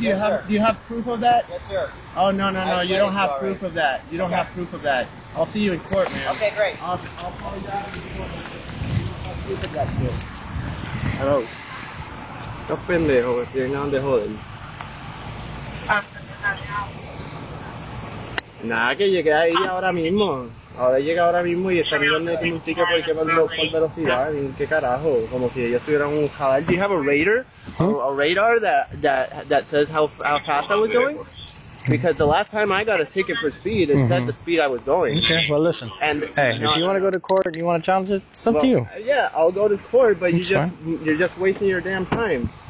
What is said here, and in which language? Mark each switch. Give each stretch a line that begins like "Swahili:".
English: Do you have proof of that? Yes, sir. Oh, no. You don't have proof of that. You don't have proof of that. I'll see you in court, man. Okay, great. I'll call you out in court. You don't have proof of that, too. Hello.
Spanish: Qué pendejo, ¿qué nombre joden? ¿Dónde joden? Nada, que llegué ahí ahora mismo. Ahora llega ahora mismo y están dando un ticket porque van por velocidad, ¿en qué carajo? Como si ellos tuvieran un radar.
English: Do you have a radar? Huh? A radar that says how fast I was going? Because the last time I got a ticket for speed, it said the speed I was going. Okay, well listen. And hey, if you want to go to court and you want to challenge it, it's up to you. Yeah, I'll go to court, but you're just wasting your damn time.